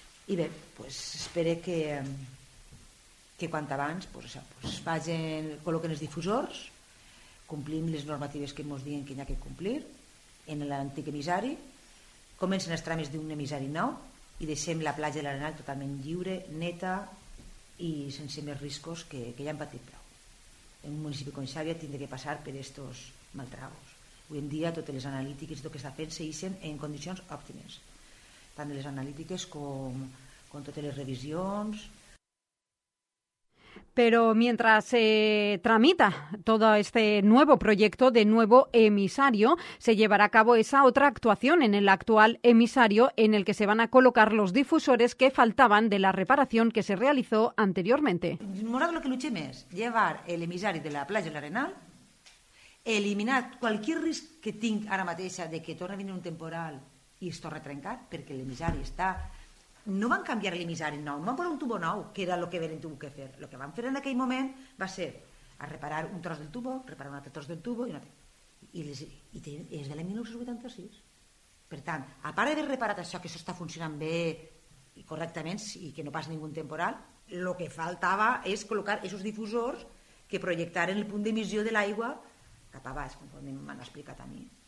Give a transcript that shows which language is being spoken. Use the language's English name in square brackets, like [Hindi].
[Catalan] I bé, pues, espero que quan abans col·loquen els difusors, complim les normatives que ens diuen que n'hi ha que complir en l'antic emissari, comencen els tràmits d'un emissari nou i deixem la platja de l'Arenal totalment lliure, neta i sense més riscos que ja han patit prou. En un municipi com Xàbia tindrà que passar per aquests maltragos. Avui en dia totes les analítiques i tot el que està fent segueixen en condicions òptimes, tant les analítiques com totes les revisions. [Spanish] Pero mientras se tramita todo este nuevo proyecto de nuevo emisario, se llevará a cabo esa otra actuación en el actual emisario en el que se van a colocar los difusores que faltaban de la reparación que se realizó anteriormente. Morado, lo que luché es llevar el emisario de la playa del Arenal, eliminar cualquier riesgo que tenga ahora mismo de que torne a venir un temporal y esto retrencar, porque el emisario está... [Catalan] No van canviar l'emissari nou, van posar un tubo nou, que era el que havien hagut de fer. El que van fer en aquell moment va ser a reparar un tros del tubo, reparar un altre tros del tubo, i és de l'any 1986. Per tant, a part d'haver reparat això, que això està funcionant bé i correctament, i que no passa ningú temporal, el que faltava és col·locar aquests difusors que projectaren el punt d'emissió de l'aigua cap a baix, com m'han explicat a mi.